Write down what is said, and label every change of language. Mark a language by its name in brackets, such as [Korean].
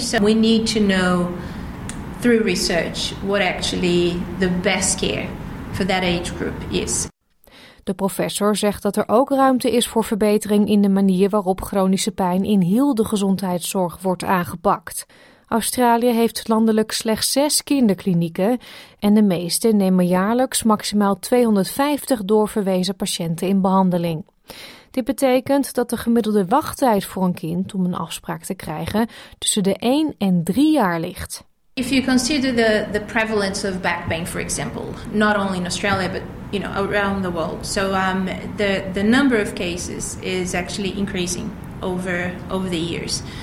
[English] So we need to know through research what actually the best care for that age group is. [Dutch] De professor zegt dat er ook ruimte is voor verbetering in de manier waarop chronische pijn in heel de gezondheidszorg wordt aangepakt. Australië heeft landelijk slechts 6 kinderklinieken en de meeste nemen jaarlijks maximaal 250 doorverwezen patiënten in behandeling. Dit betekent dat de gemiddelde wachttijd voor een kind om een afspraak te krijgen tussen de 1 en 3 jaar ligt. [English] If you consider the prevalence of back pain, for example, not only in Australia but you know around the world, so the number of cases is actually increasing over the years.